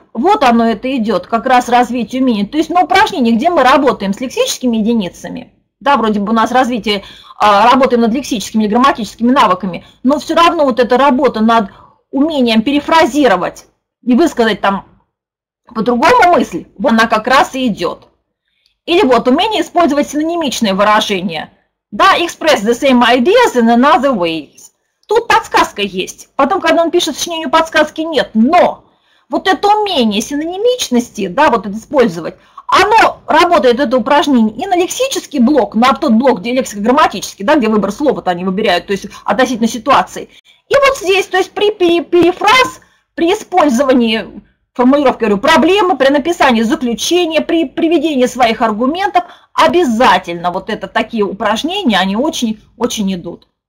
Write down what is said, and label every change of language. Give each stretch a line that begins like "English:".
Russian: Вот оно это идет, как раз развитие умения. То есть на упражнении, где мы работаем с лексическими единицами, да, вроде бы у нас развитие, работаем над лексическими или грамматическими навыками, но все равно вот эта работа над умением перефразировать и высказать там по-другому мысль, вот она как раз и идет. Или вот умение использовать синонимичные выражения.
English: Да, express the same ideas in another way.
Russian: Тут подсказка есть. Потом, когда он пишет сочинение, подсказки нет. Но вот это умение синонимичности, да, вот это использовать, оно работает, это упражнение, и на лексический блок, на тот блок, где лексико-грамматический, да, где выбор слова-то они выбирают, то есть относительно ситуации. И вот здесь, то есть при перефраз, при использовании формулировки, говорю, проблемы, при написании заключения, при приведении своих аргументов, обязательно вот это такие упражнения, они очень-очень идут.